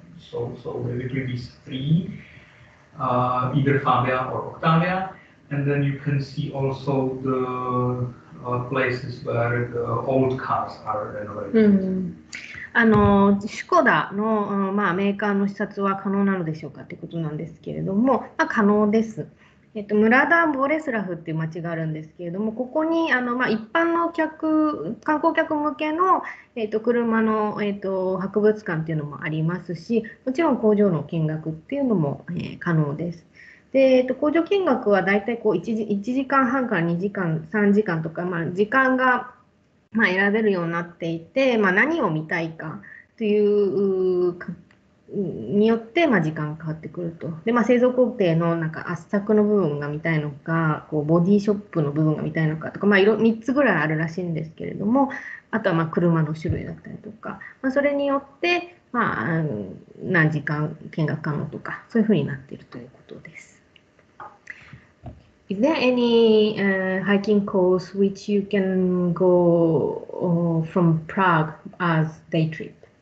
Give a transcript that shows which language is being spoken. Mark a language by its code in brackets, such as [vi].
[en] So basically these three, either Fabia or Octavia, and then you can see also the places where the old cars are renovated. [ja] あのシュコダの、うん、まあ、メーカーの視察は可能なのでしょうかってことなんですけれども、まあ、可能です。ムラダンボレスラフっていう町があるんですけれども、ここにあの、まあ、一般の客観光客向けの、車の、博物館っていうのもありますし、もちろん工場の見学っていうのも、可能です。で、工場見学はだいたい1時間半から2時間3時間とか、まあ、時間がまあ、選べるようになっていて、まあ、何を見たいかというかによってまあ時間が変わってくると。で、まあ、製造工程のなんか圧搾の部分が見たいのか、こうボディショップの部分が見たいのかとか、まあ、3つぐらいあるらしいんですけれども、あとはまあ車の種類だったりとか、まあ、それによってまあ何時間見学可能とか、そういうふうになっているということです。 [en] Is there any hiking course which you can go from Prague as day trip?